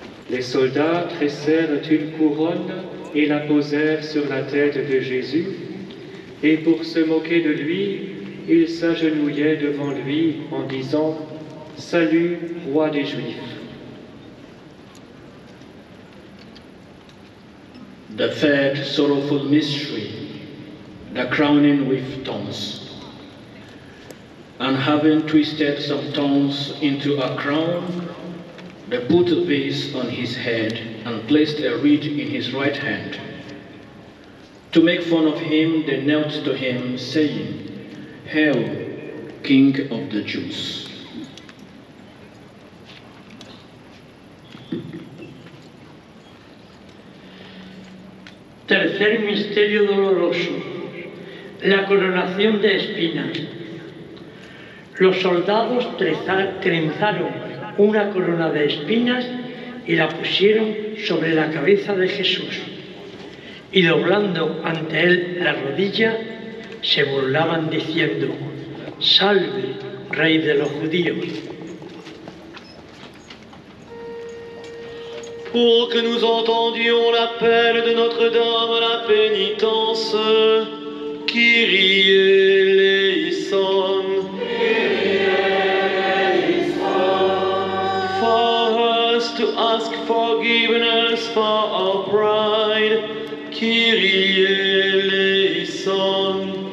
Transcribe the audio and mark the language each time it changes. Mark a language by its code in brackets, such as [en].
[fr] Les soldats tressèrent une couronne et la posèrent sur la tête de Jésus, et pour se moquer de lui, ils s'agenouillaient devant lui en disant « Salut, roi des Juifs !» [en] The third sorrowful mystery, the crowning with thorns. And having twisted some thorns into a crown, they put this on his head and placed a reed in his right hand. To make fun of him, they knelt to him, saying, Hail, King of the Jews. [es] Tercer misterio doloroso, la coronación de espinas. Los soldados trenzaron una corona de espinas y la pusieron sobre la cabeza de Jesús. y doblando ante él la rodilla, se burlaban diciendo: Salve, Rey de los Judíos. [fr] Pour que nous entendions l'appel de Notre-Dame à la pénitence, Kyrie eleison. [en] For us to ask forgiveness for our pride, Kyrie eleison.